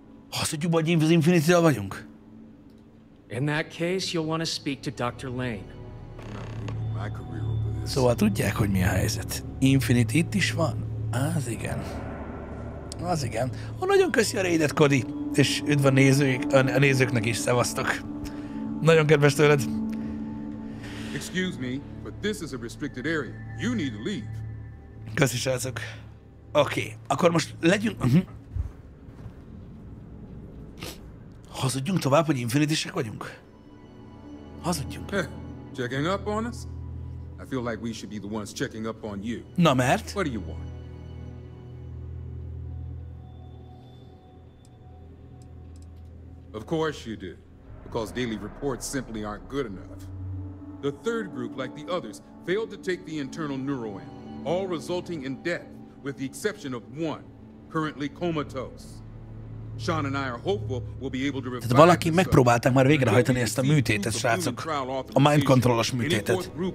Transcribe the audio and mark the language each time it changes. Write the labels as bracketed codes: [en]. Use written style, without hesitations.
[hu] Azt tudjuk, hogy az Infinity-tel vagyunk? [en] In that case, you'll want to speak to Dr. Lane. [hu] Szóval tudják, hogy mi a helyzet. Infinity itt is van? Az igen. Az igen. Ó, nagyon köszi a raidet, Cody. És üdv a nézőik, a nézőknek is, szevasztok. Nagyon kedves tőled. [en] Excuse me, but this is a restricted area. You need to leave. [hu] Köszi, srácok. Oké, okay. Akkor most legyünk... Hazudjunk tovább, hogy infinitisek vagyunk? Hazudjunk. [en] Checking up on us? I feel like we should be the ones checking up on you. [hu] Na mert? [en] What do you want? Of course you do. Because daily reports simply aren't good enough. The third group, like the others, failed to take the internal neuroamp, all resulting in death, with the exception of one, currently comatose. Sean and I are hopeful we'll be able to revive. [hu] Tehát valaki megpróbálták már végrehajtani ezt a műtétet, srácok. A mind controlos műtétet.